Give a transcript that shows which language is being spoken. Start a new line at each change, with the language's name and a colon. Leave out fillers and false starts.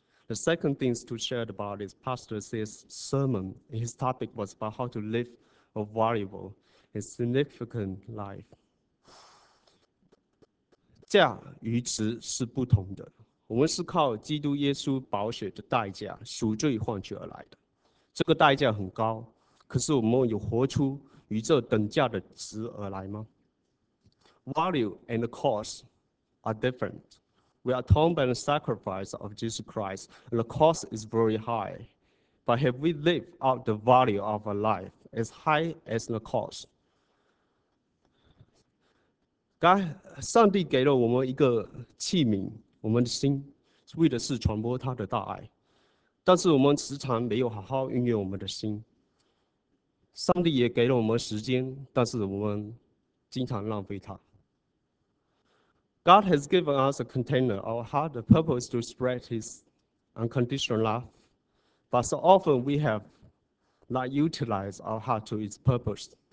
English: The second thing to share about is Pastor C's sermon. His topic was about how to live a valuable and significant life.
Chinese: 价与值是不同的。我们是靠基督耶稣宝血的代价赎罪换取而来的。这个代价很高，可是我们有活出与这等价的值而来吗？
English: Value and cost are different. We are torn by the sacrifice of Jesus Christ. The cost is very high. But have we lived out the value of our life as high as the cost?
Chinese: God, 上帝给了我们一个器皿，我们的心，为的是传播他的大爱。但是我们时常没有好好运用我们的心。上帝也给了我们时间，但是我们经常浪费它。
English: God has given us a container, our heart, the purpose to spread His unconditional love. But so often we have not utilized our heart to its purpose.